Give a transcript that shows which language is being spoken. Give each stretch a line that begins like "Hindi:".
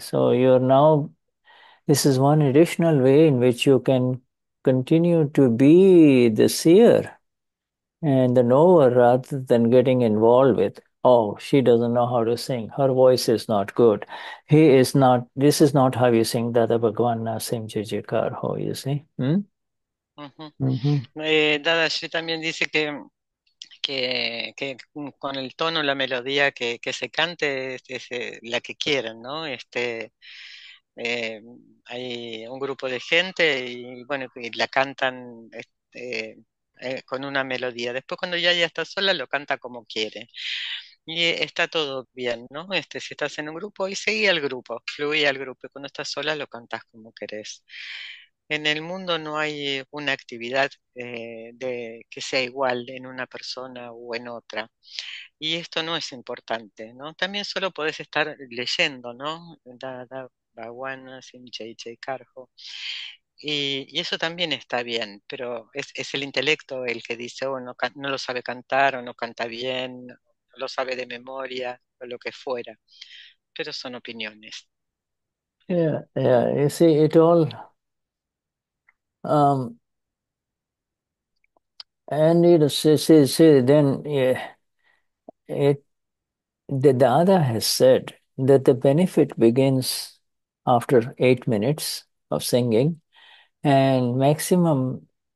English: So you're now. This is one additional way in which you can continue to be the seer and the knower rather than getting involved with, oh, she doesn't know how to sing. Her voice is not good. He is not, this is not how you sing Dada Bhagwan Na Sim Jai Jaikar Ho, you see.
Spanish: Dadashi también dice que con el tono, la melodía que se cante es la que quieran, ¿no? Hay un grupo de gente y bueno, y la cantan con una melodía. Después cuando ya está sola, lo canta como quiere. Y está todo bien, ¿no? Si estás en un grupo, y seguí al grupo, fluye al grupo, y cuando estás sola lo cantas como querés. En el mundo no hay una actividad que sea igual en una persona o en otra. Y esto no es importante, ¿no? También solo podés estar leyendo, ¿no? Dada Bhagwan Nasim Jai Jaikar Ho. Y eso también está bien, pero es el intelecto el que dice, oh, no lo sabe cantar o no canta bien, no lo sabe de memoria o lo que fuera. Pero son opiniones.
English: You see, it all, and you see, then the Dada has said that the benefit begins after 8 minutes of singing, and maximum